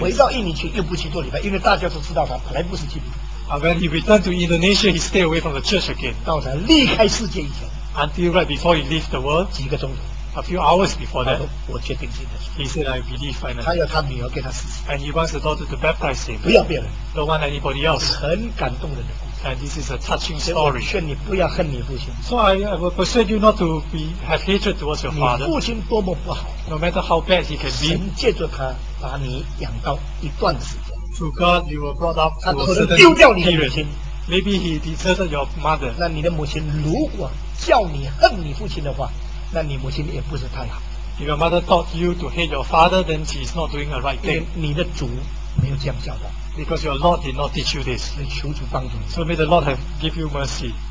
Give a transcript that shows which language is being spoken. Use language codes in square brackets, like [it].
[zh] 回到印尼去，又不去做礼拜，因为大家都知道他本来不是基督徒。 [en] When he returned to Indonesia, he stayed away from the church again. [zh] 到他离开世界以前 [en] until right before he left the world, [zh] 几个钟头 [en] a few hours before that, [zh] 我决定信耶稣 [en] He said, "I believe finally." [zh] 他要他女儿给他施洗 [en] and he wants the daughter to baptize him. [zh] 不要别人 [en] don't want anybody else. [zh] 很感动人的 [en] and this is a touching story. [zh] 劝你不要恨你父亲 [en] so I will persuade you not to have hatred towards your father. [zh] 你父亲多么不好 [en] no matter how bad he can be. [zh] 神借着他把你养到一段时间。 [en] To God, you were brought up to a certain period. Maybe he deserted your mother. [zh] 那你的母亲如果叫你恨你父亲的话，那你母亲也不是太好。 [en] If your mother taught you to hate your father, then she is not doing a right thing. [zh] 你的主没有这样教导。 [en] Because your Lord did not teach you this. [zh] 你求主帮助你。 [en] So may the Lord have give you mercy.